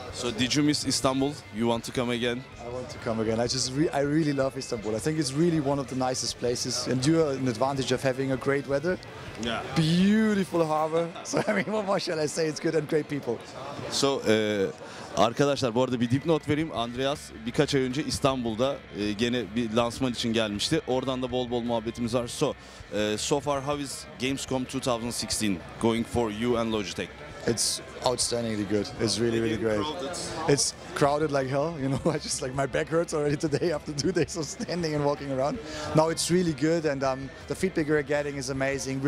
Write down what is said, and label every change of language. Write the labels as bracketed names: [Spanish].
[English] So did you miss Istanbul? You want to come again? I want to come again. I really love Istanbul. I think it's really one of the nicest places, and you have an advantage of having a great weather. Yeah. Beautiful harbor. So I mean, what more shall I say? It's good and great people. [Turkish] So arkadaşlar, bu arada bir dipnot vereyim. Andreas birkaç ay önce İstanbul'da gene bir lansman için gelmişti. Oradan da bol bol muhabbetimiz var. [English] So so far, how is Gamescom 2016 going for you and Logitech? It's outstandingly good. It's really, really great. It's crowded like hell. You know, I just like my back hurts already today after 2 days of standing and walking around. No, it's really good, and the feedback we're getting is amazing.